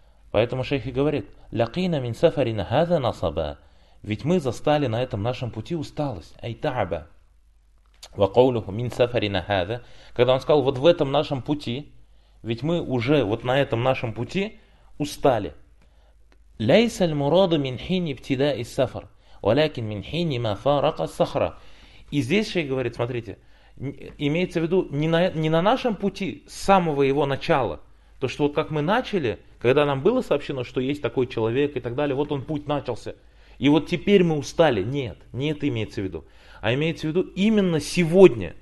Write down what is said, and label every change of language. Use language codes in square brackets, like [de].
[ru] Поэтому шейх и говорит, [ar] лякина мин сафарина хаза насаба, [ru] ведь мы застали на этом нашем пути усталость, [ar] ай тааба. وقوله من سفرنا هذا, [ru] когда он сказал, вот в этом нашем пути, ведь мы уже вот на этом нашем пути устали. [ar] ليس المراد من حين ابتداء السفر, ولكن من حين ما فارق الصخرة. [ru] И здесь шейх говорит, смотрите, имеется в виду не на нашем пути с самого его начала, то, что вот как мы начали, когда нам было сообщено, что есть такой человек и так далее, вот он путь начался, и вот теперь мы устали. Нет, не это имеется в виду. А имеется в виду именно сегодня.